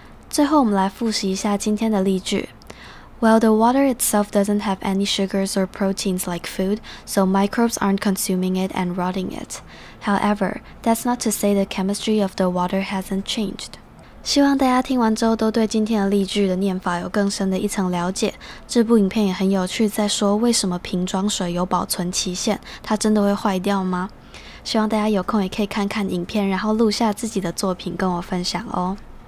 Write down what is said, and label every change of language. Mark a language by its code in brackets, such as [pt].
[zh] 最后我们来复习一下今天的例句。 [en] Well, the water itself doesn't have any sugars or proteins like food, so microbes aren't consuming it and rotting it. However, that's not to say the chemistry of the water hasn't changed. [zh] 希望大家听完之后都对今天的例句的念法有更深的一层了解。这部影片也很有趣，在说为什么瓶装水有保存期限，它真的会坏掉吗？希望大家有空也可以看看影片，然后录下自己的作品跟我分享哦。